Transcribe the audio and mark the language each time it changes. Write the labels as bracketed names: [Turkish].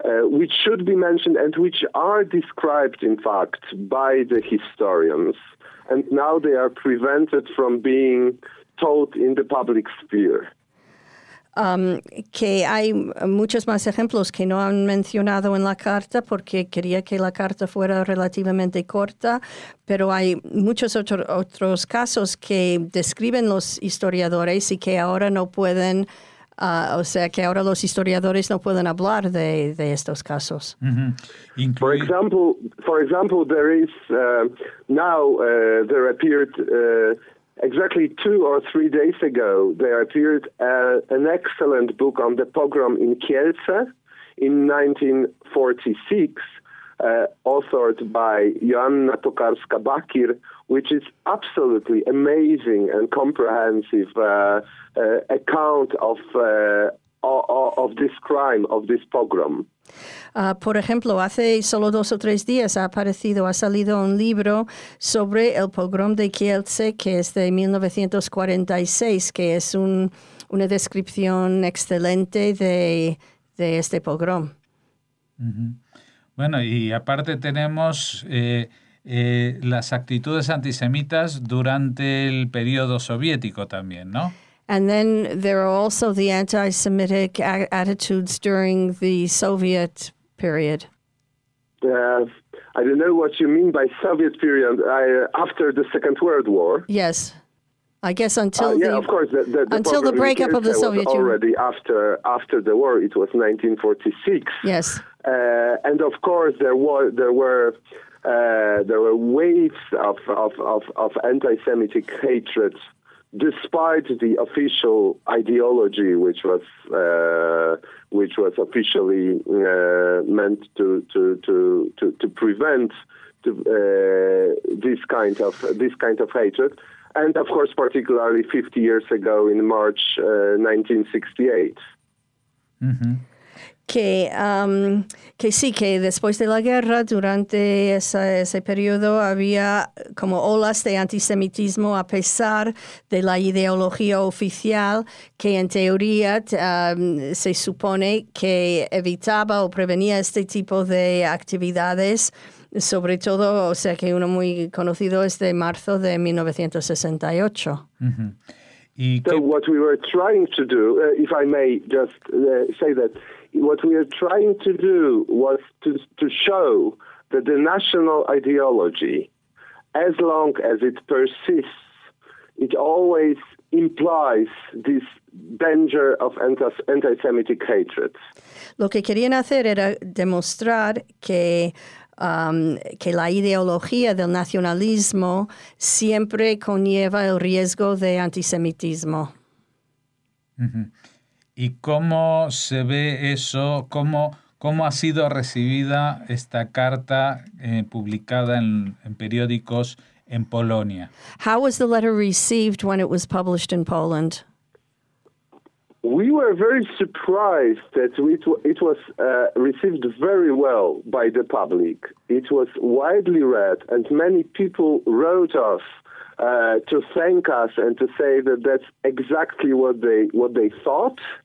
[English] which should be mentioned and which are described, in fact, by the historians, and now they are prevented from being told in the public sphere. [Spanish] Que hay muchos más ejemplos que no han mencionado en la carta porque quería que la carta fuera relativamente corta, pero hay muchos otros casos que describen los historiadores y que ahora no pueden, o sea, que ahora los historiadores no pueden hablar de estos casos. [English] Mm-hmm. For example, there is now there appeared. Exactly 2 or 3 days ago, there appeared an excellent book on the pogrom in Kielce in 1946, authored by Joanna Tokarska-Bakir, which is absolutely amazing and comprehensive account of this crime, of this pogrom. [Spanish] Por ejemplo, hace solo 2 o 3 días ha salido un libro sobre el pogrom de Kielce, que es de 1946, que es una descripción excelente de este pogrom. Uh-huh. Bueno, y aparte tenemos las actitudes antisemitas durante el periodo soviético también, ¿no? [English] And then there are also the anti-Semitic attitudes during the Soviet period. I don't know what you mean by Soviet period. After the Second World War. Yes, I guess until Of course, until the breakup of the Soviet Union. Already after the war, it was 1946. Yes, and of course there were waves of anti-Semitic hatred. Despite the official ideology, which was officially meant to prevent this kind of hatred, and of course, particularly 50 years ago in March 1968. Mm-hmm. [Spanish] Que después de la guerra, durante ese periodo, había como olas de antisemitismo a pesar de la ideología oficial que en teoría se supone que evitaba o prevenía este tipo de actividades, sobre todo, o sea, que uno muy conocido es de marzo de 1968. Mm-hmm. [English] So what we were trying to do, if I may just say that, what we are trying to do was to show that the national ideology, as long as it persists, it always implies this danger of anti-Semitic hatred. [Spanish] Lo que querían hacer era demostrar que la ideología del nacionalismo siempre conlleva el riesgo de antisemitismo. Mm-hmm. ¿Y cómo se ve eso? ¿Cómo ha sido recibida esta carta publicada en periódicos en Polonia? [English] How was the letter received when it was published in Poland? We were very surprised that it was received very well by the public. It was widely read and many people wrote us to thank us and to say that that's exactly what they thought.